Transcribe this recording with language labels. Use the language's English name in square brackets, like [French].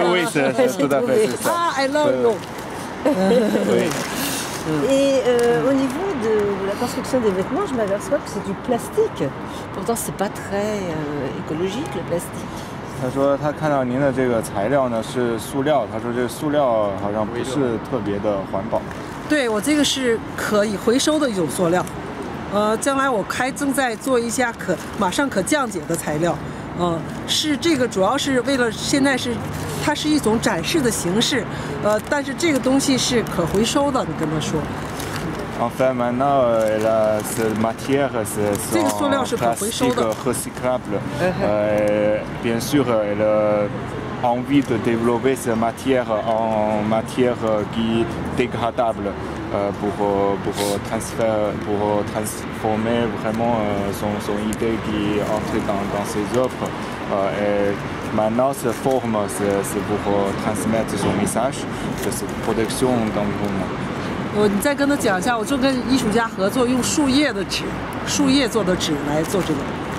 [French] Oui, c'est tout à fait, c'est ça. Ah, elle a un nom. Oui. Et au niveau de la construction des vêtements, je m'aperçois que c'est du plastique. Pourtant, c'est pas très écologique, le plastique. [Chinese] 他说他看到您的这个材料呢是塑料，他说这塑料好像不是特别的环保。对，我这个是可以回收的一种塑料，将来我开正在做一下马上可降解的材料，是这个主要是为了现在是它是一种展示的形式，但是这个东西是可回收的，你跟他说。 [French] En fait, maintenant, la matière, c'est un plastique recyclable. Bien sûr, elle a envie de développer cette matière en matière qui est dégradable pour transformer vraiment son idée qui entre dans ses œuvres. Et maintenant, cette forme, c'est pour transmettre son message, c'est la production dans le monde. [Chinese] 你再跟他讲一下，我就跟艺术家合作，用树叶做的纸来做这个。